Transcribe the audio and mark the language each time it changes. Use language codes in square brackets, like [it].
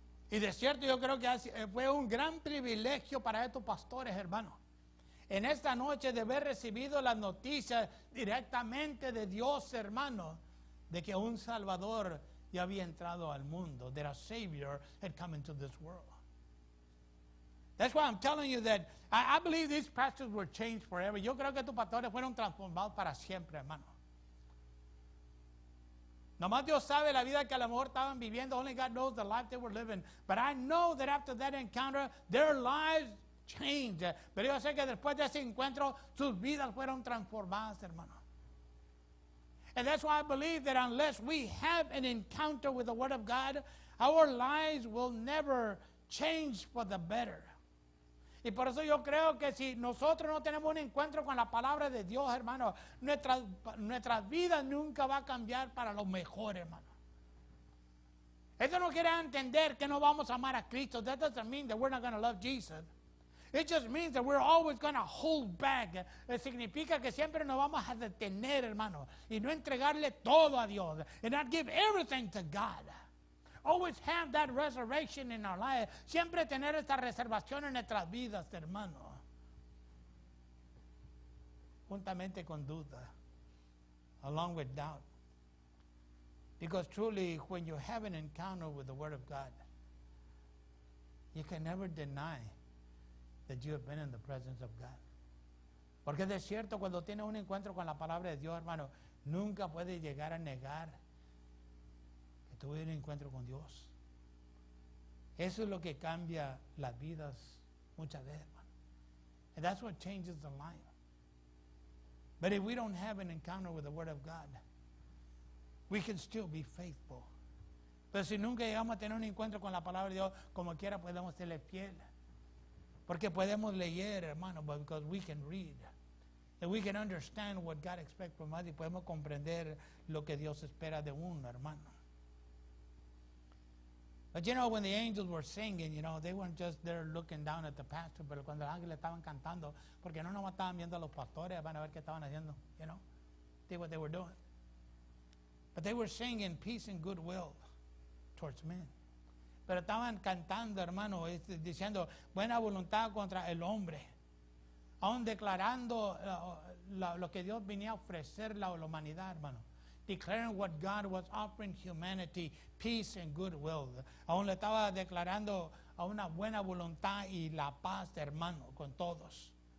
[es] Y de cierto, yo creo que fue un gran privilegio para estos pastores, hermano, en esta noche de haber recibido la noticia directamente de Dios, hermano, de que un Salvador ya había entrado al mundo, [en] that a Savior had come into this world. That's why I'm telling you that I believe these pastors were changed forever. [es] Yo creo que tus pastores fueron transformados para siempre, hermano. Nomás Dios sabe la vida que a lo mejor estaban viviendo. [en] Only God knows the life they were living. But I know that after that encounter, their lives changed. [es] Pero yo sé que después de ese encuentro, sus vidas fueron transformadas, hermano. [en] And that's why I believe that unless we have an encounter with the Word of God, our lives will never change for the better. [es] Y por eso yo creo que si nosotros no tenemos un encuentro con la palabra de Dios, hermano, nuestra vida nunca va a cambiar para lo mejor, hermano. Eso no quiere entender que no vamos a amar a Cristo. [en] That doesn't mean that we're not going to love Jesus. It just means that we're always going to hold back. [es] Significa que siempre nos vamos a detener, hermano, y no entregarle todo a Dios. [en] And not give everything to God. Always have that reservation in our life. [es] Siempre tener esta reservación en nuestras vidas, hermano. Juntamente con duda. [en] Along with doubt. Because truly, when you have an encounter with the Word of God, you can never deny that you have been in the presence of God. [es] Porque de cierto, cuando tiene un encuentro con la palabra de Dios, hermano, nunca puede llegar a negar. Tuve un encuentro con Dios. Eso es lo que cambia las vidas muchas veces, hermano. [en] And that's what changes the life. But if we don't have an encounter with the Word of God, we can still be faithful. [es] Pero si nunca llegamos a tener un encuentro con la palabra de Dios, como quiera podemos serle fiel. Porque podemos leer, hermano, [en] but because we can read. And we can understand what God expects from us. [es] Y podemos comprender lo que Dios espera de uno, hermano. [en] But you know, when the angels were singing, you know, they weren't just there looking down at the pastor, [es] pero cuando los ángeles estaban cantando, porque no nomás estaban viendo a los pastores, van a ver qué estaban haciendo, [en] you know, see what they were doing. But they were singing peace and goodwill towards men. [es] Pero estaban cantando, hermano, diciendo buena voluntad contra el hombre, aún declarando lo que Dios venía a ofrecer a la humanidad, hermano. [en] Declaring what God was offering humanity, peace and goodwill. [es] Aún le estaba declarando a una buena voluntad y la paz, hermano, con todos.